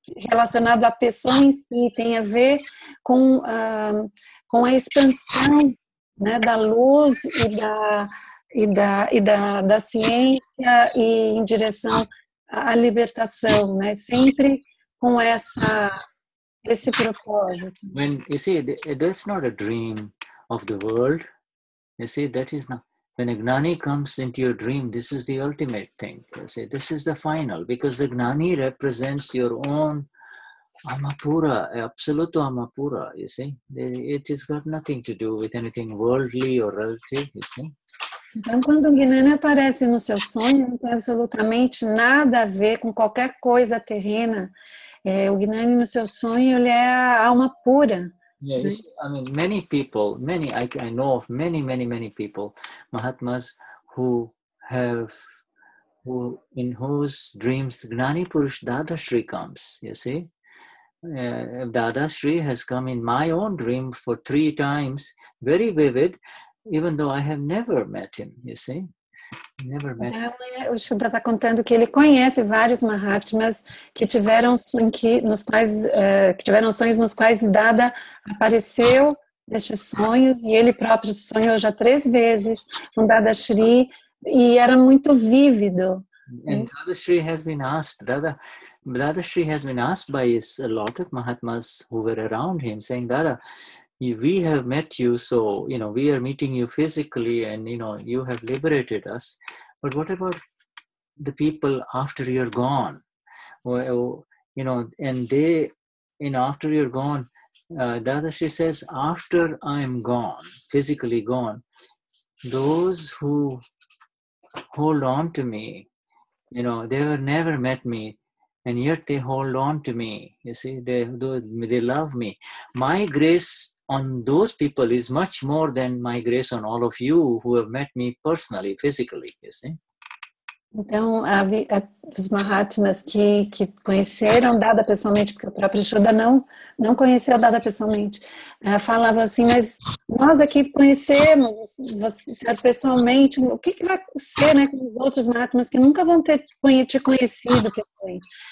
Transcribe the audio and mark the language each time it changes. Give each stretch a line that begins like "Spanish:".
Portuguese: Relacionado à pessoa em si, tem a ver com a expansão, né, da luz e da ciência e em direção à libertação, né? Sempre com esse propósito.
English: When you see, that's not a dream of the world. You see, that is not. When a Gnani comes into your dream, this is the ultimate thing. You see, this is the final, because the Gnani represents your own Amapura, absoluto Amapura, you see. It has got nothing to do with anything worldly or relative, you see.
Portuguese: Então, quando o Gnani aparece no seu sonho, não tem absolutamente nada a ver com qualquer coisa terrena. É, o Gnani no seu sonho, ele é a alma pura.
English: Yeah, you see, I mean, I know of many people, Mahatmas, in whose dreams Gnani Purush Dadashri comes, you see. Dadashri has come in my own dream for 3 times, very vivid, even though I have never met him, you see. Never met him. O Shuddha está contando que ele conhece vários Mahatmas que tiveram sonhos nos quais Dada apareceu nestes sonhos, e ele próprio sonhou já 3 vezes com Dadashri, e era muito vívido. Dadashri has been asked by a lot of Mahatmas who were around him, saying, Dada, we have met you, so, you know, we are meeting you physically, and, you know, you have liberated us. But what about the people after you're gone? Well, you know, and they, you know, after you're gone, Dadashri says, after I'm gone, physically gone, those who hold on to me, you know, they have never met me, and yet they hold on to me, you see, they love me. My grace on those people is much more than my grace on all of you who have met me personally, physically, you see.
Portuguese: Então, os Mahatmas que conheceram Dada pessoalmente, porque o próprio Shuddha não conheceu Dada pessoalmente, falavam assim, mas nós aqui conhecemos você pessoalmente, o que vai ser, né, com os outros Mahatmas que nunca vão ter te conhecido pessoalmente?